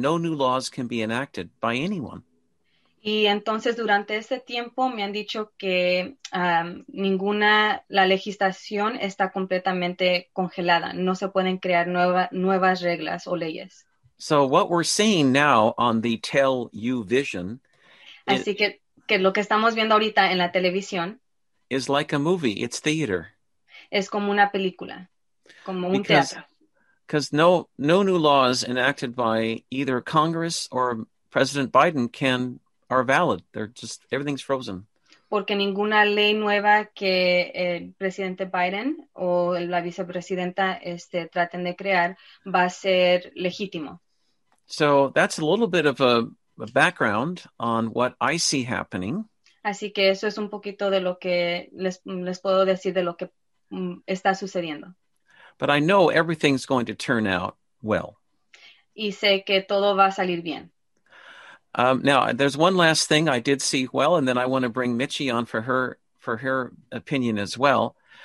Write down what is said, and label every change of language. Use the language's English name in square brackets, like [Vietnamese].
[English] No new laws can be enacted by anyone. [Spanish] Y entonces durante este tiempo me han dicho que la legislación está completamente congelada. No se pueden crear nuevas reglas o leyes. [English] So what we're seeing now on the Tell You Vision. [Spanish] Así que lo que estamos viendo ahorita en la televisión. [English] Is like a movie. It's theater. [Spanish] Es como una película. Como un [English] because, [Spanish] teatro. [English] Because no new laws enacted by either Congress or President Biden can are valid. They're just, everything's frozen. [Spanish] Porque ninguna ley nueva que el presidente Biden o la vicepresidenta traten de crear va a ser legítimo. [English] So that's a little bit of a background on what I see happening. [Spanish] Así que eso es un poquito de lo que les puedo decir de lo que está sucediendo. [English] But I know everything's going to turn out well. [Spanish] Y sé que todo va a salir bien. [English] Now, there's one last thing I did see well, and then I want to bring Mitchie on for her opinion as well.